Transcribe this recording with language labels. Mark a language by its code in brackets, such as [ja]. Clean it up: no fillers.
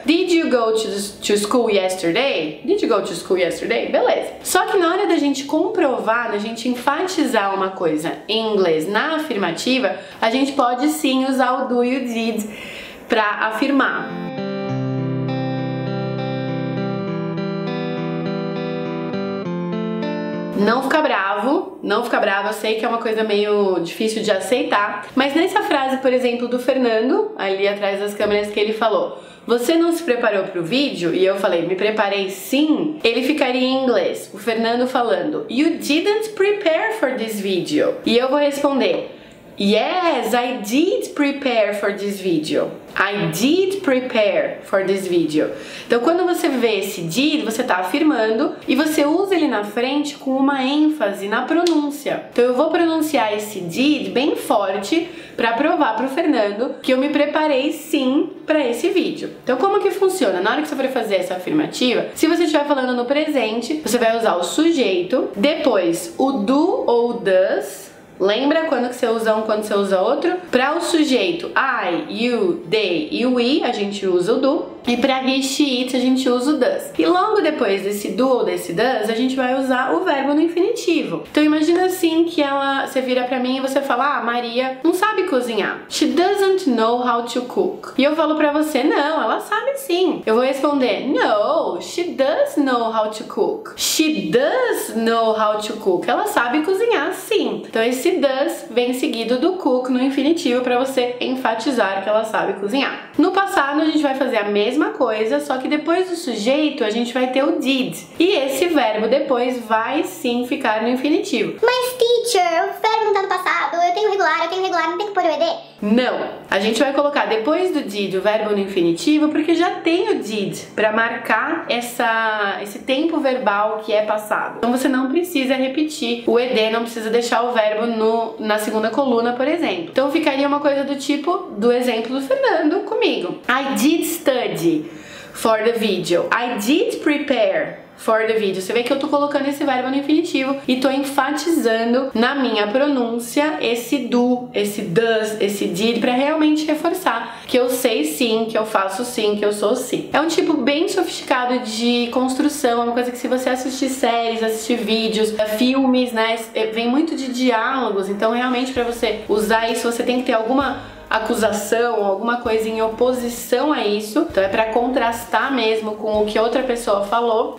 [en] Did you go to school yesterday? Did you go to school yesterday? [pt] Beleza. Só que na hora da gente comprovar, da gente enfatizar uma coisa em inglês na afirmativa, a gente pode sim usar o do e o did pra afirmar. Não fica bravo, não fica bravo, eu sei que é uma coisa meio difícil de aceitar, mas nessa frase, por exemplo, do Fernando, ali atrás das câmeras, que ele falou, você não se preparou pro vídeo? E eu falei, me preparei sim, ele ficaria em inglês, o Fernando falando, [en] you didn't prepare for this video. [pt] E eu vou responder, [en] yes, I did prepare for this video. I did prepare for this video. [pt] Então, quando você vê esse did, você tá afirmando e você usa ele na frente com uma ênfase na pronúncia. Então, eu vou pronunciar esse did bem forte pra provar pro Fernando que eu me preparei sim pra esse vídeo. Então, como que funciona? Na hora que você for fazer essa afirmativa, se você estiver falando no presente, você vai usar o sujeito, depois o do ou does. Lembra quando que você usa um, quando você usa outro? Para o sujeito, I, you, they e we, a gente usa o do. E para he, she, it, a gente usa o does. E logo depois desse do ou desse does, a gente vai usar o verbo no infinitivo. Então imagina assim que você vira pra mim e você fala, ah, Maria não sabe cozinhar. [en] She doesn't know how to cook. [pt] E eu falo pra você, não, ela sabe sim. Eu vou responder, [en] no, she does know how to cook. She does know how to cook. [pt] Ela sabe cozinhar sim. Então esse does vem seguido do cook no infinitivo pra você enfatizar que ela sabe cozinhar. No passado a gente vai fazer a mesma coisa, só que depois do sujeito a gente vai ter o did. E esse verbo depois vai sim ficar no infinitivo. Mas teacher, o verbo tá no passado, eu tenho regular, não tem que pôr o ed? Não. A gente vai colocar depois do did o verbo no infinitivo porque já tem o did pra marcar esse tempo verbal que é passado. Então você não precisa repetir o ed, não precisa deixar o verbo na segunda coluna, por exemplo. Então ficaria uma coisa do tipo do exemplo do Fernando comigo. [en] I did study for the video. I did prepare for the video. [pt] Você vê que eu tô colocando esse verbo no infinitivo e tô enfatizando na minha pronúncia esse do, esse does, esse did, pra realmente reforçar que eu sei sim, que eu faço sim, que eu sou sim. É um tipo bem sofisticado de construção, é uma coisa que se você assistir séries, assistir vídeos, filmes, né, vem muito de diálogos, então realmente pra você usar isso você tem que ter alguma acusação, alguma coisa em oposição a isso, então é pra contrastar mesmo com o que outra pessoa falou.